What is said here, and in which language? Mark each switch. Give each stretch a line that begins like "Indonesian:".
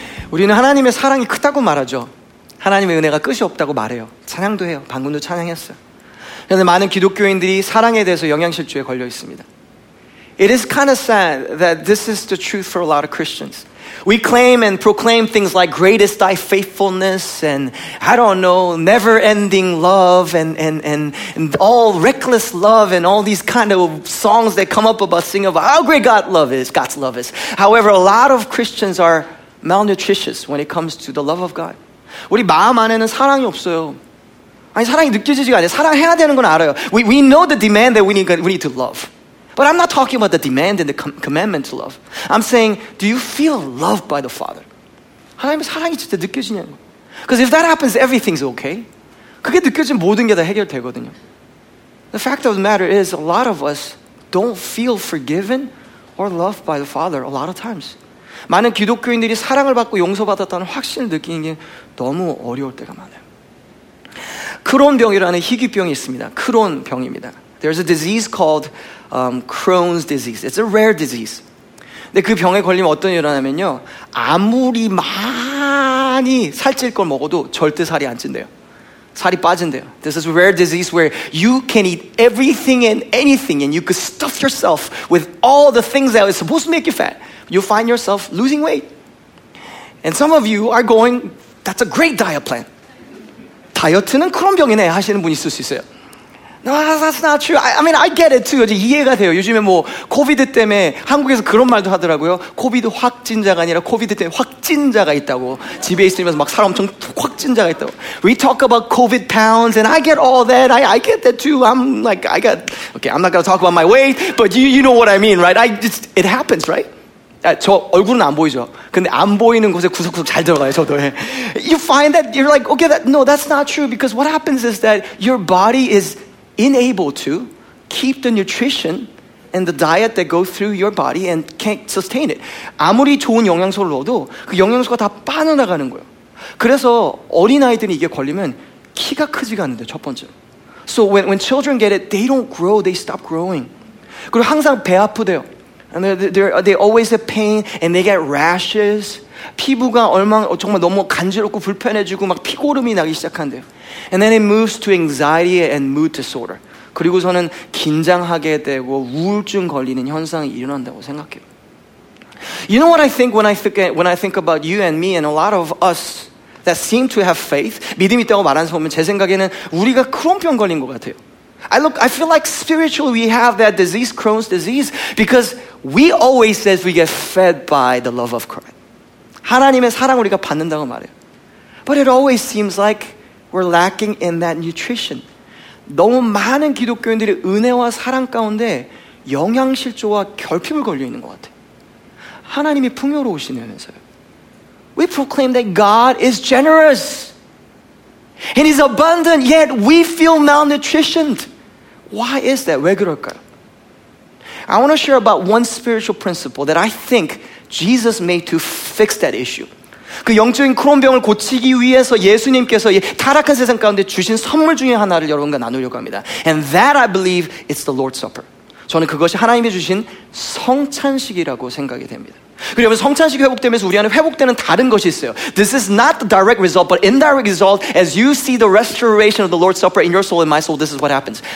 Korean: 우리는 하나님의 사랑이 크다고 말하죠. 하나님의 은혜가 끝이 없다고 말해요. 찬양도 해요. 방금도 찬양했어요. 그런데 많은 기독교인들이 사랑에 대해서 영양실조에 걸려 있습니다.
English: It is kind of sad that this is the truth for a lot of Christians. We claim and proclaim things like greatest thy faithfulness and I don't know, never ending love and all reckless love and all these kind of songs that come up about singing about how great God's love is, God's love is. However, a lot of Christians are malnutritious when it comes to the love of God.
Korean: 우리 마음 안에는 사랑이 없어요. 아니 사랑이 느껴지지가 않아요. 사랑해야 되는 건 알아요.
English: We know the demand that we need to love. But I'm not talking about the demand and the commandment to love. I'm saying, do you feel loved by the Father?
Korean: 하나님의 사랑이 진짜 느껴지냐고.
English: Because if that happens, everything's okay.
Korean: 그게 느껴지면 모든 게 다 해결되거든요.
English: The fact of the matter is, a lot of us don't feel forgiven or loved by the Father a lot of times.
Korean: 많은 기독교인들이 사랑을 받고 용서받았다는 확신을 느끼는 게 너무 어려울 때가 많아요. 크론병이라는 희귀병이 있습니다. 크론병입니다.
English: There's a disease called Crohn's disease. It's a rare disease.
Korean: 근데 그 병에 걸리면 어떤 일이 일어나면요. 아무리 많이 살찔 걸 먹어도 절대 살이 안 찐대요. 살이 빠진대요.
English: This is a rare disease where you can eat everything and anything and you could stuff yourself with all the things that are supposed to make you fat. You'll find yourself losing weight. And some of you are going, that's a great diet plan.
Korean: 다이어트는 그런 병이네 하시는 분 있을 수 있어요.
English: No, that's not true. I mean, I get it too.
Korean: 이해가 돼요. 요즘에 뭐 코비드 때문에 한국에서 그런 말도 하더라고요. 코비드 확진자가 아니라 코비드 때문에 확진자가 있다고. 집에 있으면서 막 살 엄청 확진자가 있다고.
English: We talk about COVID pounds and I get all that. I get that too. I'm like, I got, okay, I'm not going to talk about my weight, but you know what I mean, right? It happens, right?
Korean: 저 얼굴은 안 보이죠. 근데 안 보이는 곳에 구석구석 잘 들어가요, 저도.
English: You find that you're like, okay, that's not true because what happens is that your body is unable to keep the nutrition and the diet that go through your body and can't sustain it.
Korean: 아무리 좋은 영양소를 넣어도 그 영양소가 다 빠져나가는 거예요. 그래서 어린아이들이 이게 걸리면 키가 크지가 않는데 첫 번째.
English: So when children get it, they don't grow, they stop growing.
Korean: 그리고 항상 배 아프대요.
English: And they always have pain and they get rashes.
Korean: 피부가 정말 너무 간지럽고 불편해지고 막 피고름이 나기 시작한대요.
English: And then it moves to anxiety and mood disorder.
Korean: 그리고서는 긴장하게 되고 우울증 걸리는 현상이 일어난다고 생각해요.
English: You know what I think when I think about you and me and a lot of us that seem to have faith?
Korean: 믿음 있다고 말하는 사람 보면 제 생각에는 우리가 크론병 걸린 것 같아요.
English: I feel like spiritually we have that disease, Crohn's disease, because we always says we get fed by the love of Christ.
Korean: 하나님의 사랑 우리가 받는다고 말해요.
English: But it always seems like we're lacking in that nutrition.
Korean: 너무 많은 기독교인들이 은혜와 사랑 가운데 영양실조와 결핍을 걸려 있는 것 같아요. 하나님이 풍요로우시면서요.
English: We proclaim that God is generous and He's abundant, yet we feel malnutritioned. Why is that?
Korean: 왜 그럴까요?
English: I want to share about one spiritual principle that I think Jesus made to fix that issue.
Korean: 그 영적인 크론병을 고치기 위해서 예수님께서 이 타락한 세상 가운데 주신 선물 중에 하나를 여러분과 나누려고 합니다.
English: And that I believe is the Lord's Supper.
Korean: 저는 그것이 하나님이 주신 성찬식이라고 생각이 됩니다. 그러면 성찬식이 회복되면서 우리 안에 회복되는 다른 것이 있어요.
English: This is not the direct result, but indirect result. As you see the restoration of the Lord's Supper in your soul and my soul, this is what happens.